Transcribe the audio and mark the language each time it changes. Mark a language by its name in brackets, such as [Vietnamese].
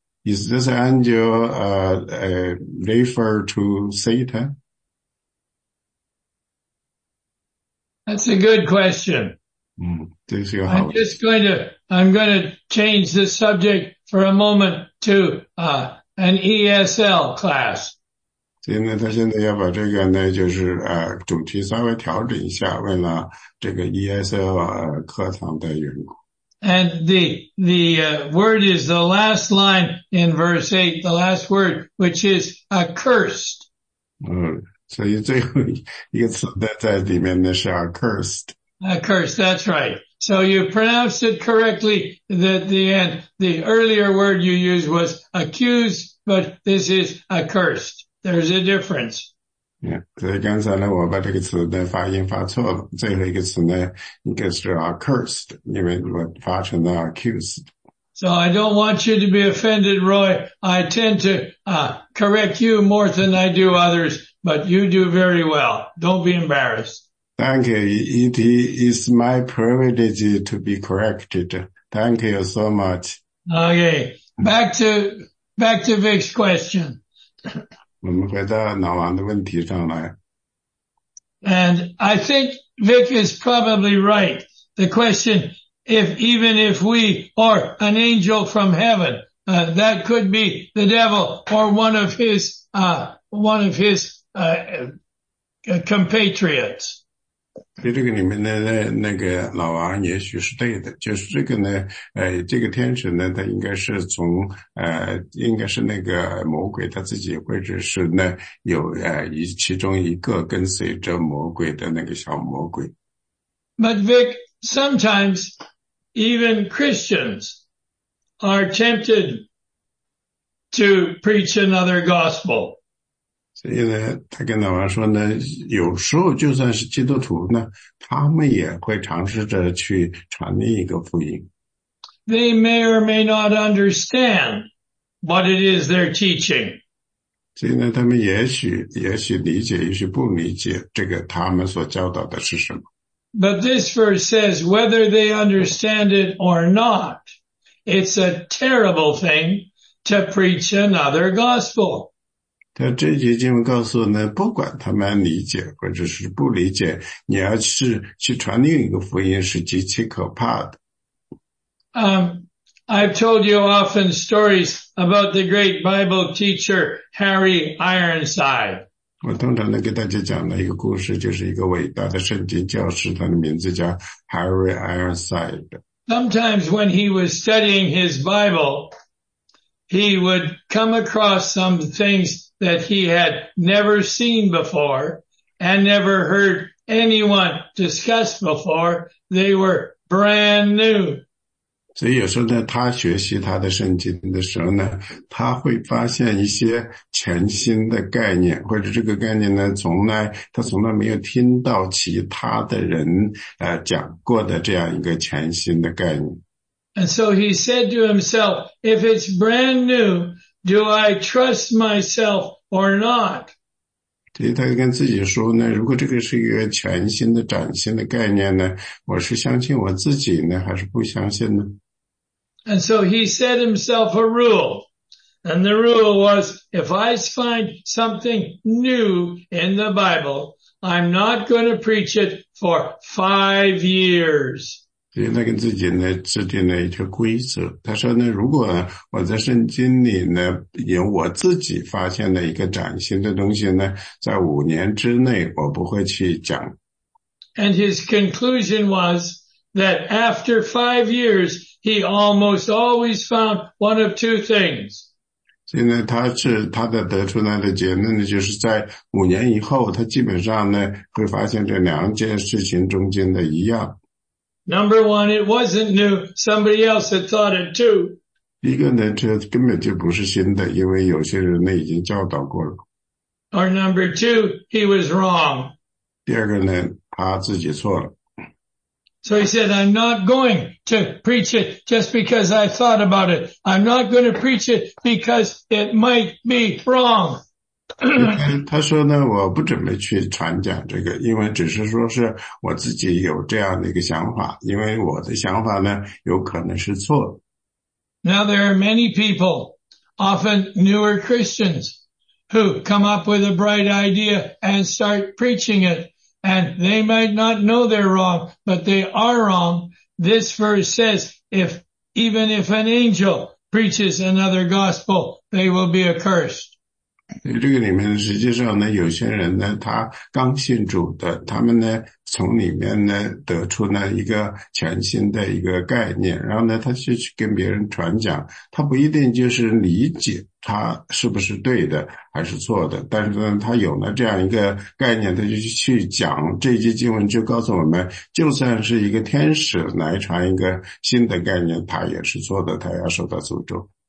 [English] Is this angel referred to Satan? That's a good question. I'm going to change the subject for a moment to an ESL class. [Chinese] 现在他现在要把这个呢，就是主题稍微调整一下，为了这个 ESL 课堂的缘故。 [English] And the word is the last line in verse 8, the last word, which is accursed. [Chinese] 所以最后一个词在里面呢是 accursed. [English] Accursed, that's right. So you pronounced it correctly at the end. The earlier word you used was accused, but this is accursed. There's a difference. [Chinese] Yeah, 所以刚才呢我把这个词呢发音发错了。最后一个词呢应该是 accursed, 因为我发成了 accused。 [English] So I don't want you to be offended, Roy. I tend to correct you more than I do others, but you do very well. Don't be embarrassed. Thank you. It is my privilege to be corrected. Thank you so much. Okay. Back to Vic's question. [Chinese] 我们回到老王的问题上来。 [English] And I think Vic is probably right. The question if we or an angel from heaven, that could be the devil or one of his compatriots. [Chinese] 所以这个里面的那个老王也许是对的，就是这个呢，这个天使呢，他应该是从应该是那个魔鬼他自己，或者是呢有其中一个跟随着魔鬼的那个小魔鬼。 [English] But Vic, sometimes even Christians are tempted to preach another gospel. [Chinese] 所以呢，他跟老王说呢，有时候就算是基督徒呢，他们也会尝试着去传另一个福音。 [English] They may or may not understand what it is they're teaching. [Chinese] 所以呢，他们也许理解，也许不理解这个他们所教导的是什么。 [English] But this verse says whether they understand it or not, it's a terrible thing to preach another gospel. [Chinese] 但这节经文告诉我们，不管他们理解或者是不理解，你要是去传另一个福音是极其可怕的。 [English] I've told you often stories about the great Bible teacher Harry Ironside. [Chinese] 我通常呢给大家讲的一个故事，就是一个伟大的圣经教师，他的名字叫 Harry Ironside。 [English] Sometimes when he was studying his Bible, he would come across some things that he had never seen before and never heard anyone discuss before. They were brand new. [Chinese] 所以有时候呢，他学习他的圣经的时候呢，他会发现一些全新的概念，或者这个概念呢，他从来没有听到其他的人讲过的这样一个全新的概念。 [English] And so he said to himself, if it's brand new, do I trust myself or not? [Chinese] 所以他就跟自己说呢，如果这个是一个全新的崭新的概念呢，我是相信我自己呢，还是不相信呢？ [English] And so he set himself a rule. And the rule was, if I find something new in the Bible, I'm not going to preach it for 5 years. [Chinese] 所以他跟自己呢制定了一条规则。他说呢，如果我在圣经里呢有我自己发现的一个崭新的东西呢，在五年之内我不会去讲。 [English] And his conclusion was that after 5 years, he almost always found one of two things. [Chinese] 所以呢，他的得出来的结论呢，就是在五年以后，他基本上呢会发现这两件事情中间的一样。 [English] Number one, it wasn't new. Somebody else had taught it too. [Chinese] 一个呢，这根本就不是新的，因为有些人呢已经教导过了。 [English] Or number two, he was wrong. [Chinese] 第二个呢，他自己错了。 [English] So he said, I'm not going to preach it just because I thought about it. I'm not going to preach it because it might be wrong. [Chinese] 他说呢，我不准备去传讲这个，因为只是说是我自己有这样的一个想法，因为我的想法呢，有可能是错。 [English] Now there are many people, often newer Christians, who come up with a bright idea and start preaching it. And they might not know they're wrong, but they are wrong. This verse says, even if an angel preaches another gospel, they will be accursed. [Chinese] 这个里面实际上呢，有些人呢，他刚信主的，他们呢，从里面呢，得出呢，一个全新的一个概念，然后呢，他就去跟别人传讲，他不一定就是理解他是不是对的还是错的，但是呢，他有了这样一个概念，他就去讲这一节经文，就告诉我们，就算是一个天使来传一个新的概念，他也是错的，他要受到诅咒。